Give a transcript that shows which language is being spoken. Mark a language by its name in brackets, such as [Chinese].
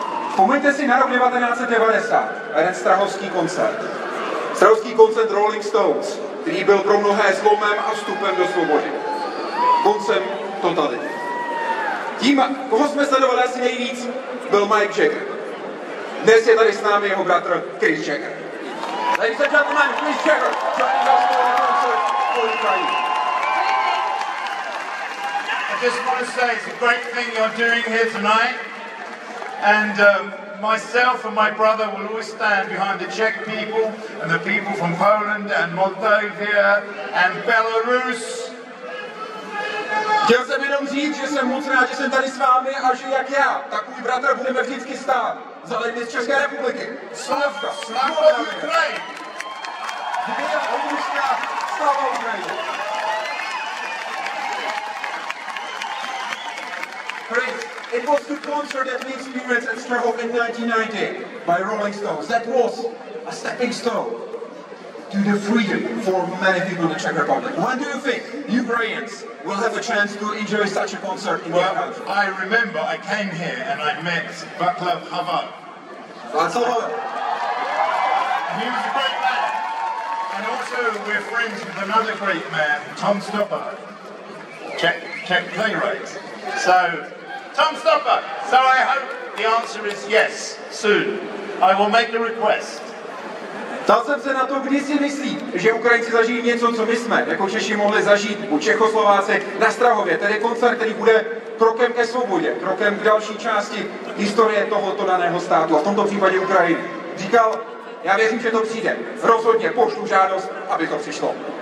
[Czech] Vzpomeňte si na rok 1990, Ren Strahovský koncert. Strahovský koncert Rolling Stones, který byl pro mnohé zlomem a vstupem do svobody. Koncem totality. Tím, koho jsme sledovali asi nejvíc, byl Mick Jagger. Dnes je tady s námi jeho bratr Chris Jagger. [English] Ladies and gentlemen, Chris Jagger, joining us for a concert for Ukraine. I just want to say it's a great thing you're doing here tonight. And myself and my brother will always stand behind the Czech people and the people from Poland and Moldavia and Belarus. [Czech] Chtěl jsem jenom říct, že jsem moc rád, že jsem tady s vámi a že jak já, takový bratr budeme vždycky stát za lidmi z České republiky. Slavka! Slavka! Slavka! Slavka! Ukrajina! Dvě obrůžka! Slavka Ukrajina! [English] Chris, it was the concert that we experienced at Strahov in 1990 by Rolling Stones. That was a stepping stone to the freedom for many people in the Czech Republic. When do you think Ukrainians will have a chance to enjoy such a concert in your country? Well, I remember I came here and I met Václav Havel. Václav Havel. He was a great man. And also we're friends with another great man, Tom Stoppard, Czech playwright. So, Tom Stoppard. So I hope the answer is yes, soon. I will make the request. [Czech] Ptal jsem se na to, kdy si myslí, že Ukrajinci zažijí něco, co my jsme jako Češi mohli zažít u Čechoslováci na Strahově, tedy koncert, který bude krokem ke svobodě, krokem k další části historie tohoto daného státu, a v tomto případě Ukrajiny. Říkal, já věřím, že to přijde. Rozhodně pošlu žádost, aby to přišlo.